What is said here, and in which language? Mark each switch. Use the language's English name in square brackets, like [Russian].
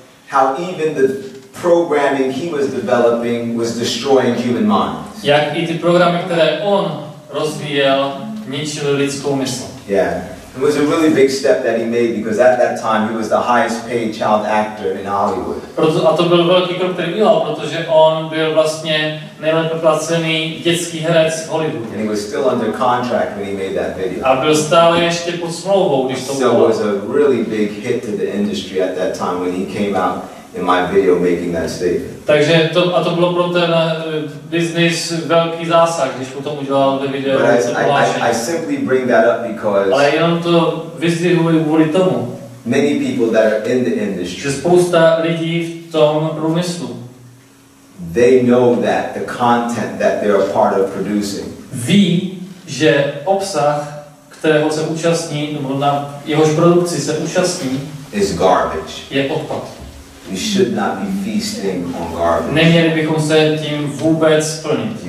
[English] How even the programming he was developing was destroying human minds. [Czech] Jak i ty programy, které on rozvíjel, ničili lidskou mysl. [English] Yeah, it was a really big step that he made because at that time he was the highest paid child actor in Hollywood. [Czech] A to byl velký krok, který udělal, protože on byl vlastně nejlépe placený dětský herec v Hollywood. [English] And he was still under contract when he made that video. [Czech] A byl stále ještě pod smlouvou, když to bylo. [English] So it was a really big hit to the industry at that time when he came out in my video making that statement. [Czech] Takže to a to bylo pro ten business velký zásah, když potom udělal to video. [English] I simply bring that up because. [Czech] Ale jenom to vyzdvihuji kvůli tomu. [English] Many people that are in the industry. [Czech] Spousta lidí v tom průmyslu. [English] They know that the content that they are part of producing. [Czech] Ví, že obsah, kterého se účastní, nebo na jehož produkci se účastní, [English] is garbage. [Czech] Je odpad. [English] You should not be feasting on garbage. [Czech] Neměli bychom se tím vůbec plnit.